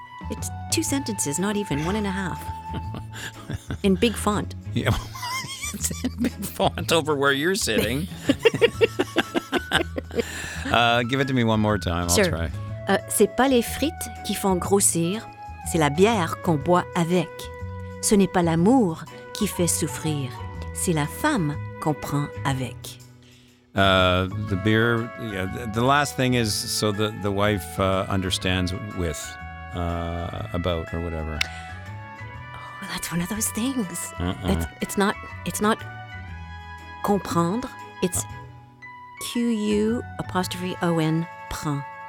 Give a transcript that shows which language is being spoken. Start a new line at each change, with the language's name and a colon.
English: it's two sentences, not even one and a half. In big font. Yeah. It's in big font over where you're sitting. Give it to me one more time. Sure. I'll try.
French: C'est pas les frites qui font grossir, c'est la bière qu'on boit avec. Ce n'est pas l'amour qui fait souffrir, c'est la femme qu'on prend avec.
English: The beer, yeah, the last thing is so the wife understands with, about, or whatever. That's one of those things. Uh-uh. It's not comprendre. It's Q-U apostrophe O-N prend.